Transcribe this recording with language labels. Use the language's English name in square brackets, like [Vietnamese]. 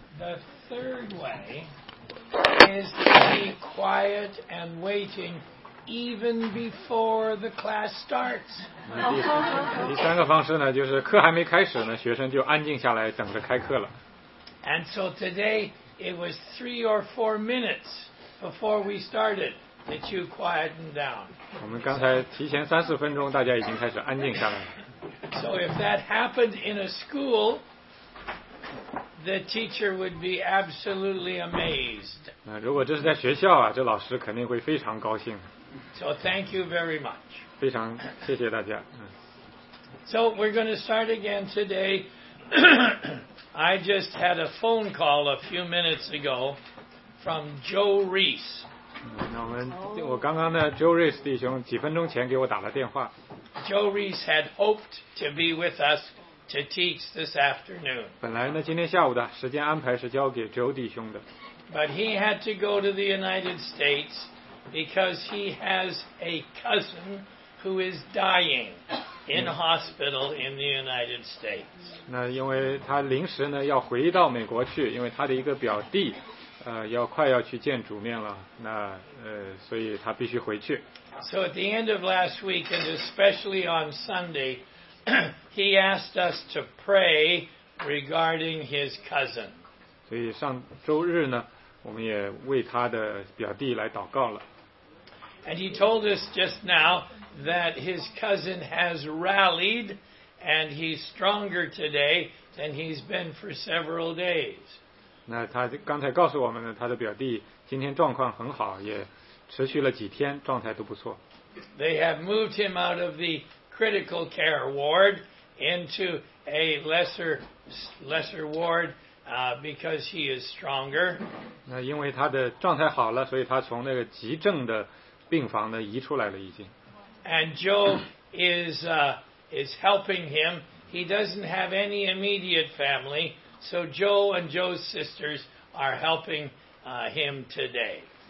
[English] The third way is to be quiet and waiting even before the class starts. [Chinese] 第三个方式呢，就是课还没开始呢，学生就安静下来等着开课了。 [English] And so today it was 3 or 4 minutes before we started that you quietened down. [Chinese] 我们刚才提前三四分钟，大家已经开始安静下来了。 [English] So if that happened in a school, the teacher would be absolutely amazed. [Chinese] 如果这是在学校啊，这老师肯定会非常高兴。 [English] So thank you very much. [Chinese] 非常谢谢大家。 [English] So we're going to start again today. I just had a phone call a few minutes ago from Joe Reese. [Chinese] 那我刚刚呢 ，Joe Reese 弟兄几分钟前给我打了电话。 [English] Joe Reese had hoped to be with us to teach this afternoon. [Chinese] 本来呢，今天下午的时间安排是交给 Joe 弟兄的。 [English] But he had to go to the United States because he has a cousin who is dying in hospital in the United States. [Chinese] 那因为他临时呢要回到美国去，因为他的一个表弟，要快要去见主面了，那所以他必须回去。 [English] So at the end of last week, and especially on Sunday, he asked us to pray regarding his cousin. [Chinese] 所以上周日呢，我们也为他的表弟来祷告了。 [English] And he told us just now that his cousin has rallied and he's stronger today than he's been for several days. [Chinese] 那他刚才告诉我们呢，他的表弟今天状况很好，也持续了几天，状态都不错。 [English] They have moved him out of the critical care ward into a lesser ward, because he is stronger. [Chinese] 那因为他的状态好了，所以他从那个急症的病房呢移出来了已经。 [English] And Joe is helping him. He doesn't have any immediate family, so Joe and Joe's sisters are helping him today.